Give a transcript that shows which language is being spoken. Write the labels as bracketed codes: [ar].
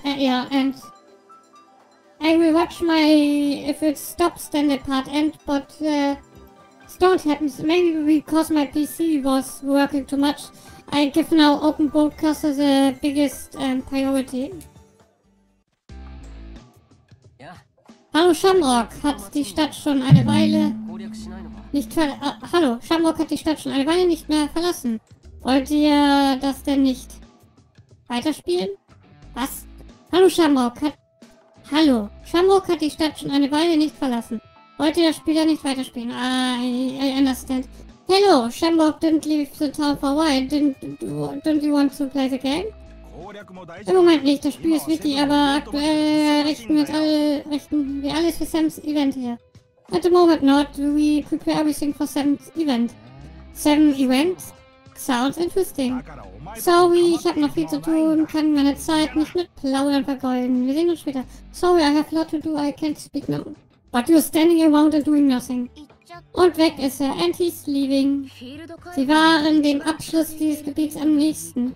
[en] And I will watch my, if it stops, then the part end, but don't happens. Maybe because my PC was working too much, I give now open broadcast as the biggest priority. Yeah. [de] Hallo Shamrock, hat die Stadt schon eine Weile nicht Hallo Shamrock hat die Stadt schon eine Weile nicht mehr verlassen. Wollt ihr das denn nicht weiterspielen? Was? Hallo Shamrock hat die Stadt schon eine Weile nicht verlassen. Wollt ihr das Spiel ja nicht weiterspielen? [en] I understand. Hello, Shamrock didn't leave the town for a while. Don't you want to play the game? [de] Im Moment nicht, das Spiel ist wichtig, aber aktuell richten wir alles für Sam's Event her. [en] At the moment not, we prepare everything for Sam's Event. Sam's Event? Sounds interesting. [de] Sorry, ich hab noch viel zu tun, kann meine Zeit nicht mit Plaudern vergeuden. Wir sehen uns später. [en] Sorry, I have a lot to do, I can't speak now. But you're standing around and doing nothing. [de] Und weg ist er. [en] And he's leaving. [de] Sie waren dem Abschluss dieses Gebiets am nächsten.